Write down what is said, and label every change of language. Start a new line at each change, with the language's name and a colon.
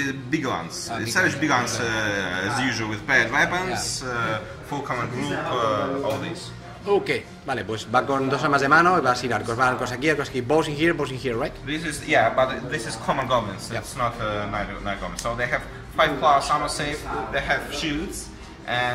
English: Big ones, savage big ones, as usual with paired weapons, full common group, all this.
Spanish: Ok, vale, pues va con 2 armas de mano y va sin arcos. Va arcos aquí,
English: bows in here, right? This is, yeah, but this is common goblins, yeah. It's not knight goblins. So they have 5 plus armor save, they have shields, and...